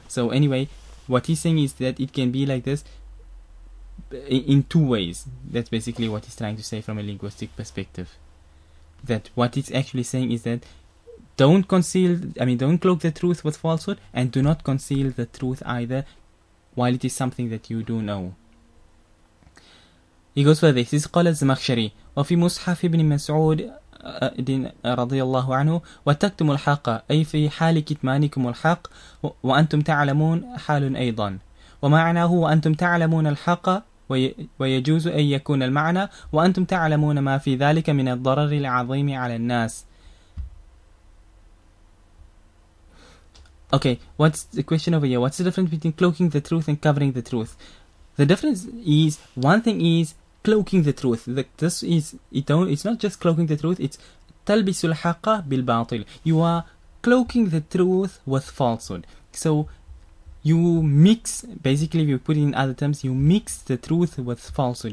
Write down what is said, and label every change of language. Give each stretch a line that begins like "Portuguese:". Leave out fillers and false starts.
English: So anyway, what he's saying is that it can be like this in two ways. That's basically what he's trying to say from a linguistic perspective. That what it's actually saying is that don't cloak the truth with falsehood, and do not conceal the truth either while it is something that you do know. He goes for this.
Arabic: قال الزمخشري وفي مصحف ابن مسعود رضي الله عنه وتكتم الحق أي في حال كتمانكم الحق وأنتم تعلمون حال أيضا ومعناه وأنتم تعلمون الحق ويجوز أن يكون المعنى وأنتم تعلمون ما في ذلك من الضرر العظيم على الناس.
English: Okay, what's the question over here? What's the difference between cloaking the truth and covering the truth? The difference is, one thing is cloaking the truth. It's not just cloaking the truth, it's
Arabic: تلبس الحق بالباطل.
English: You are cloaking the truth with falsehood. So you mix, basically, if you put it in other terms, you mix the truth with falsehood.